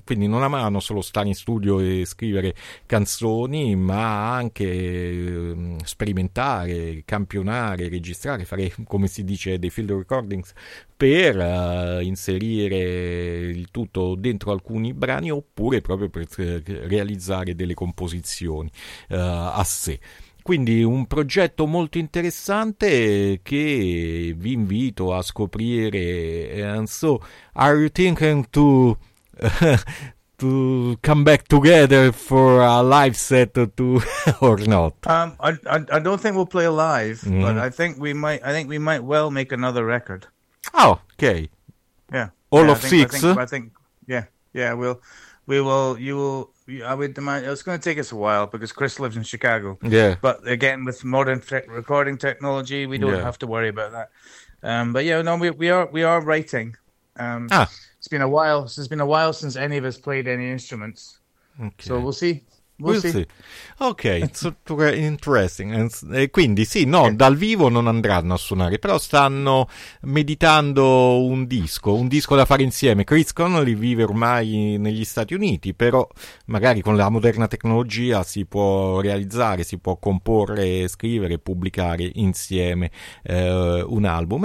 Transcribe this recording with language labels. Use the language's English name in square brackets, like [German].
[Italian] Quindi non amavano solo stare in studio e scrivere canzoni, ma anche sperimentare, campionare, registrare, fare, come si dice, dei field recordings, per inserire il tutto dentro alcuni brani, oppure proprio per realizzare delle composizioni a sé. Quindi un progetto molto interessante che vi invito a scoprire. [English] And so, are you thinking to come back together for a live set or not? I don't think we'll play live, but I think we might well make another record. Oh, okay. Yeah. All Yeah, of six. I think. Yeah. Yeah. We will. You will. I would demand. It's going to take us a while because Chris lives in Chicago. Yeah. But again, with modern recording technology, we don't have to worry about that. But yeah, no, we are writing. It's been a while. It's been a while since any of us played any instruments. Okay. So we'll see. We'll see. Ok, it's interesting. [Italian] Quindi sì, no, dal vivo non andranno a suonare, però stanno meditando un disco da fare insieme. Chris Connolly vive ormai negli Stati Uniti, però magari con la moderna tecnologia si può realizzare, si può comporre, scrivere, pubblicare insieme un album.